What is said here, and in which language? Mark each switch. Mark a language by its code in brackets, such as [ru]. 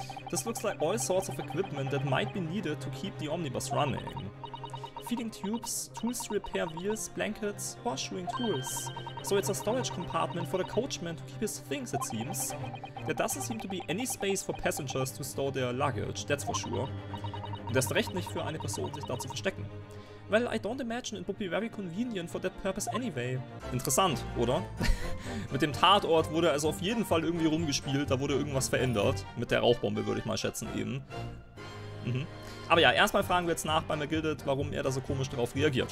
[en] This looks like all sorts of equipment that might be needed to keep the omnibus running. Feeding tubes, tools to repair wheels, blankets, horseshoeing tools. So it's a storage compartment for the coachman to keep his things, it seems. There doesn't seem to be any space for passengers to store their luggage, that's for sure. [de] Und erst recht nicht für eine Person, sich da zu verstecken. [en] Well, I don't imagine it would be very convenient for that purpose anyway. [de] Interessant, oder? Mit dem Tatort wurde also auf jeden Fall irgendwie rumgespielt, da wurde irgendwas verändert. Mit der Rauchbombe, würde ich mal schätzen, eben. Aber ja, erstmal fragen wir jetzt nach bei McGilded, warum er da so komisch drauf reagiert.